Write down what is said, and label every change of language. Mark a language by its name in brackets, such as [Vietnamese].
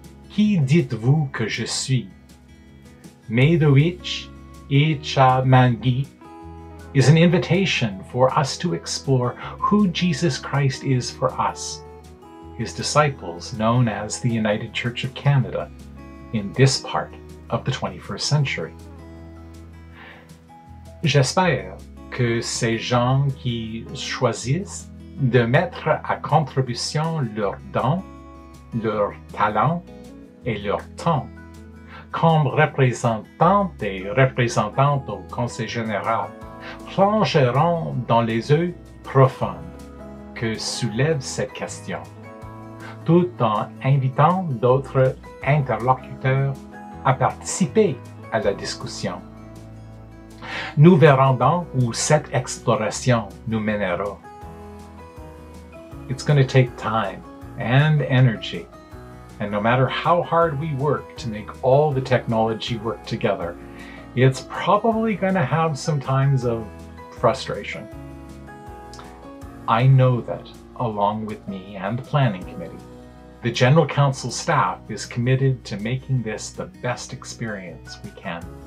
[French] Qui dites-vous que je suis? [English] Medovich Icha Mangi is an invitation for us to explore who Jesus Christ is for us, his disciples known as the United Church of Canada, in this part of the 21st century. [French] J'espère que ces gens qui choisissent de mettre à contribution leurs dons, leurs talents et leur temps, comme représentant et représentante au Conseil général, plongeront dans les œufs profondes que soulève cette question, tout en invitant d'autres interlocuteurs à participer à la discussion. Nous verrons donc où cette exploration nous mènera. [English] It's going to take time and energy, and no matter how hard we work to make all the technology work together, it's probably going to have some times of frustration. I know that, along with me and the Planning Committee, the General Counsel staff is committed to making this the best experience we can.